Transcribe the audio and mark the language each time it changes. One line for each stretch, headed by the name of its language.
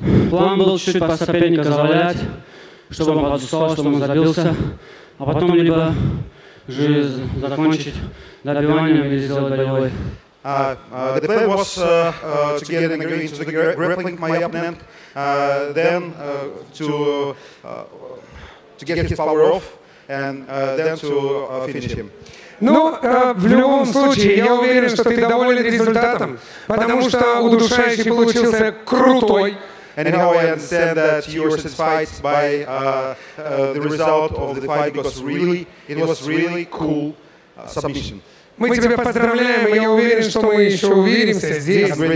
Russian: План был чуть-чуть по соперника завалять, чтобы он подустал, чтобы он забился, а потом либо жизнь закончить добиванием или сделать болевой.
English: The plan was to get into the grappling my opponent, then to get his power off, and then to finish him.
Russian: Ну, в любом случае, я уверен, что ты доволен результатом, потому что удушающий получился крутой.
English: Anyhow, I understand that you are satisfied by the result of the fight because really, it was really cool submission.
Russian: Мы тебя поздравляем, и я уверен, что мы еще увидимся здесь.